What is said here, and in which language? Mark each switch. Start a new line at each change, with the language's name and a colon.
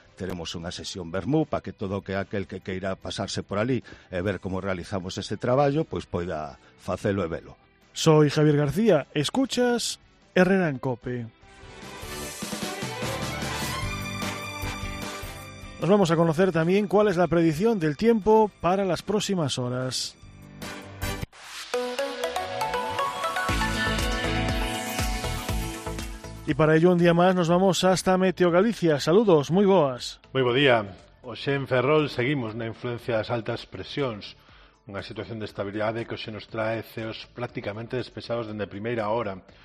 Galician: Teremos unha sesión vermú para que todo que aquel que queira pasarse por ali e ver como realizamos este traballo, pois poida facelo e velo.
Spanish: Soy Javier García, escuchas Herrera en COPE. Nos vamos a conocer tamén cuál es la predicción del tiempo para las próximas horas. Y para ello un día más nos vamos hasta Meteo Galicia.
Galician: Saludos, muy boas. Muy bo día. Oxe en Ferrol seguimos na influencia das altas presións, unha situación de estabilidade que oxe nos trae ceos prácticamente despexados dende primeira hora.